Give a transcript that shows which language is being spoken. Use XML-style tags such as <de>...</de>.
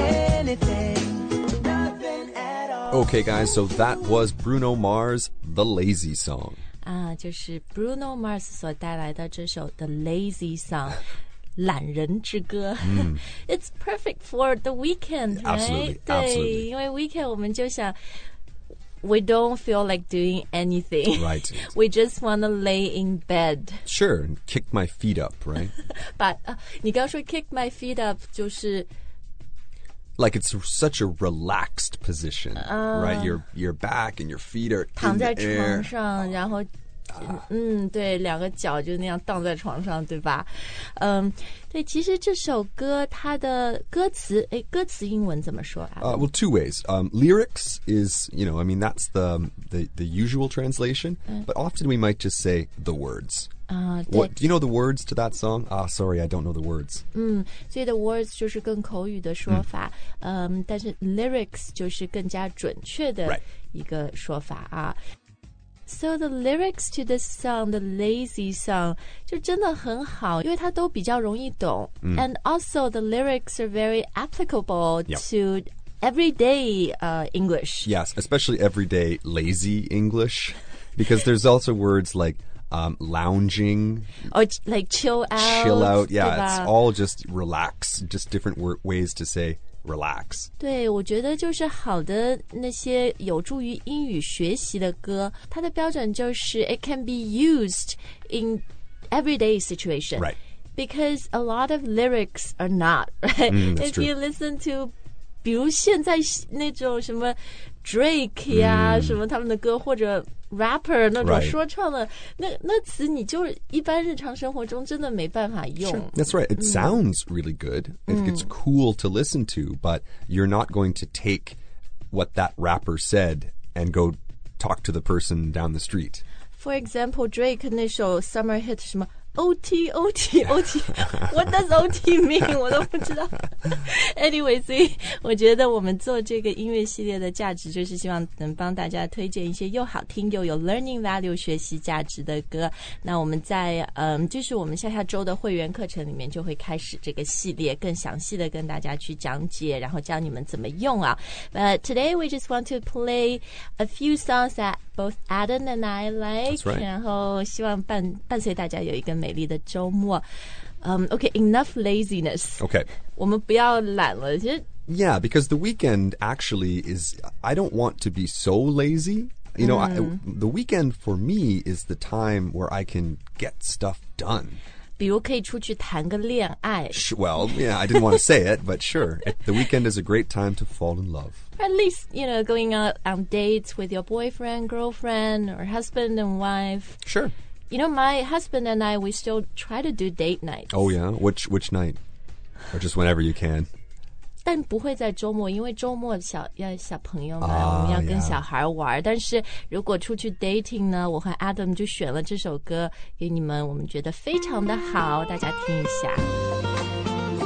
<en>Okay, guys, so that was Bruno Mars' The Lazy Song.</en> <zh>就是 Bruno Mars 所带来的这首 The Lazy Song, 懒人之歌。</zh> <en>It's perfect for the weekend, right? Absolutely.</en> <zh>因为</zh> <en>weekend</en> <zh>我们就想</zh> <en>we don't feel like doing anything. Right. We just want to lay in bed. Sure, kick my feet up, right? But,</en> <zh>你刚说</zh> <en>kick my feet up</en> <zh>就是</zh> <en>Like, it's such a relaxed position, right? Your back and your feet are in the air.</en> <zh>躺在床上,然后,对,两个脚就那样荡在床上,对吧? 对,其实这首歌,它的歌词,歌词英文怎么说啊?</zh> <en>Well, two ways. Lyrics is, you know, I mean, that's the usual translation, but often we might just say the words. What, do you know the words to that song? Ah, sorry, I don't know the words.</en> <zh>所以 the words 就是更口语的说法，但是 lyrics 就是更加准确的一个说法啊。</zh> <en>So the lyrics to this song, the lazy song,</en> <zh>就真的很好，因为它都比较容易懂。</zh> <en>And also the lyrics are very applicable to everyday English. Yes, especially everyday lazy English, because there's also words likelounging. Or like chill out. Chill out, yeah. It's all just relax. Just different ways to say relax.</en> <zh>对，我觉得就是好的那些有助于英语学习的歌，它的标准就是</zh> <en>it can be used in everyday situation. Right. Because a lot of lyrics are not, right? That's true. If you listen to,</en> <zh>比如现在那种什么 Drake 呀、嗯、什么他们的歌，或者 rapper 那种说唱的、</zh> <en>right.</en> <zh>那词你就一般日常生活中真的没办法用。</zh> <en>Sure. That's right. It sounds really good.、嗯、 It's cool to listen to, but you're not going to take what that rapper said and go talk to the person down the street. For example, Drake</en> <zh>那首</zh> <en>summer hit 什么OT, OT, OT. What does OT mean?</en> <zh>我都不知道。</zh> <en>Anyway,</en> <zh>所以我觉得我们做这个音乐系列的价值就是希望能帮大家推荐一些又好听又有</zh> <en>learning value</en> <zh>学习价值的歌。那我们在就是我们下周的会员课程里面就会开始这个系列，更详细的跟大家去讲解，然后教你们怎么用啊。</zh> <en>But today we just want to play a few songs that both Adam and I like. That's right.</en> <zh>然后希望伴随大家有一个美丽的周末。</zh> <en>Okay, enough laziness. Okay.</en> <zh>我们不要懒了。其实</zh> <en>Yeah, because the weekend actually is, I don't want to be so lazy. You know,、mm. The weekend for me is the time where I can get stuff done.</en> <zh>比如可以出去谈个恋爱。</zh> <en>Well, yeah, I didn't want to say it, but sure. The weekend is a great time to fall in love. At least, you know, going out on dates with your boyfriend, girlfriend, or husband and wife. Sure. You know, my husband and I, we still try to do date nights. Oh, yeah? Which night? Or just whenever you can?</en> <zh>但不会在周末，因为周末小朋友嘛、啊、我们要跟小孩玩、</zh> <en>yeah.</en> <zh>但是如果出去 dating 呢，我和 Adam 就选了这首歌给你们，我们觉得非常的好，大家听一下。</zh>